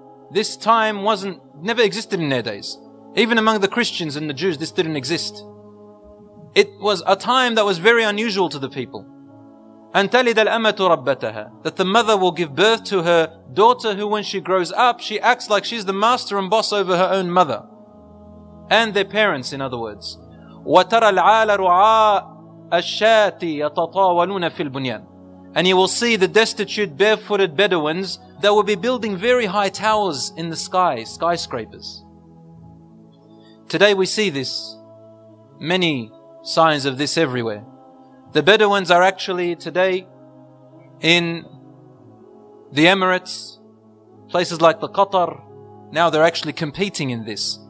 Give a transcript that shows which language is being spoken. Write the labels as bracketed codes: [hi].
[en] This time never existed in their days. Even among the Christians and the Jews, this didn't exist. It was a time that was very unusual to the people. [ar] أن تلد الأمة ربتها, [en] that the mother will give birth to her daughter, who when she grows up, she acts like she's the master and boss over her own mother. And their parents, in other words. [ar] وترى العال رعاء الشاتي يتطاولون في البنيان. [en] And you will see the destitute barefooted Bedouins that will be building very high towers in the sky, skyscrapers. Today we see this, many signs of this everywhere. The Bedouins are actually today in the Emirates, places like the Qatar, now they're actually competing in this.